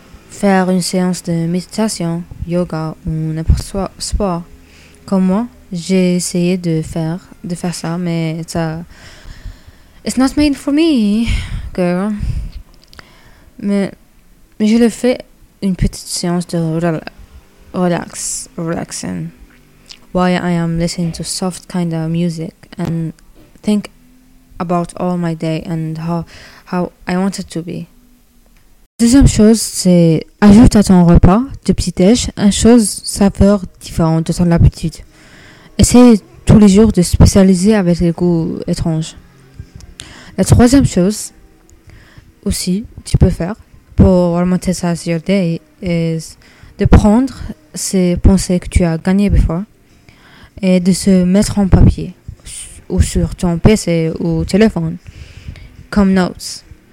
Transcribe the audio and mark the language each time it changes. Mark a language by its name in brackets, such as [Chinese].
[French] Faire une séance de méditation, yoga ou n'importe quoi, sport. Comme moi, j'ai essayé de faire ça, mais ça... [English] It's not made for me, girl. [French] Mais je le fais une petite séance de relaxing. [English] While I am listening to soft kind of music and think about all my day and how I want it to be. [French] Deuxième chose, c'est ajoute à ton repas de petit-déj une chose saveur différente de ton habitude. Essaye tous les jours de spécialiser avec des goûts étranges. La troisième chose aussi tu peux faire pour [English] romanticize your day [French] est de prendre ces pensées que tu as gagnées before et de se mettre en papier ou sur ton PC ou téléphone comme notes.